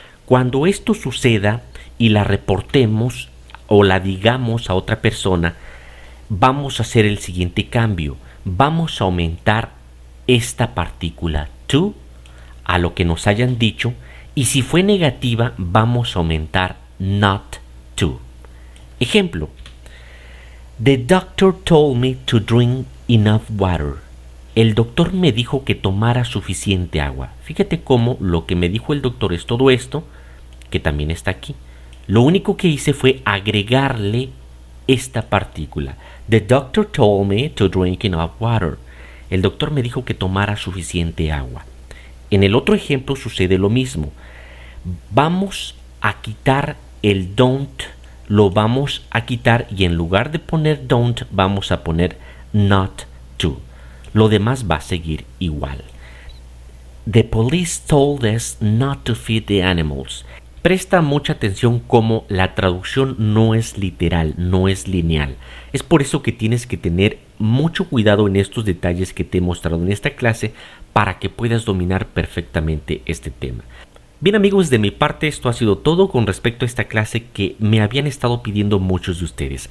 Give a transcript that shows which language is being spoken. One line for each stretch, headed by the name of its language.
Spanish: Cuando esto suceda y la reportemos o la digamos a otra persona, vamos a hacer el siguiente cambio. Vamos a aumentar esta partícula to a lo que nos hayan dicho. Y si fue negativa, vamos a aumentar not to. Ejemplo.
English: The doctor told me to drink enough water.
Spanish: El doctor me dijo que tomara suficiente agua. Fíjate cómo lo que me dijo el doctor es todo esto, que también está aquí. Lo único que hice fue agregarle esta partícula.
English: The doctor told me to drink enough water.
Spanish: El doctor me dijo que tomara suficiente agua. En el otro ejemplo sucede lo mismo. Vamos a quitar el don't, lo vamos a quitar, y en lugar de poner don't, vamos a poner not to. Lo demás va a seguir igual.
English: The police told us not to feed the animals.
Spanish: Presta mucha atención cómo la traducción no es literal, no es lineal. Es por eso que tienes que tener mucho cuidado en estos detalles que te he mostrado en esta clase para que puedas dominar perfectamente este tema. Bien amigos, de mi parte esto ha sido todo con respecto a esta clase que me habían estado pidiendo muchos de ustedes.